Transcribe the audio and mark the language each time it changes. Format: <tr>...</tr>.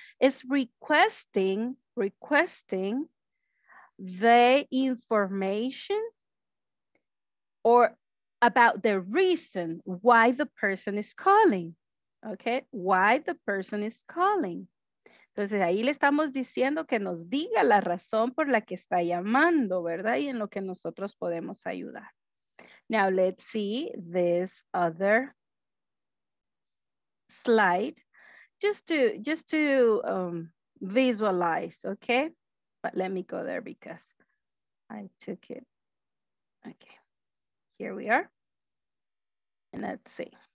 <en>It's requesting the information or about the reason why the person is calling. Okay, why the person is calling.</en> <es>Entonces ahí le estamos diciendo que nos diga la razón por la que está llamando, ¿verdad? Y en lo que nosotros podemos ayudar.</es> <en>Now let's see this other slide just to visualize, okay? But let me go there because I took it. Okay. Here we are. And let's see.</en>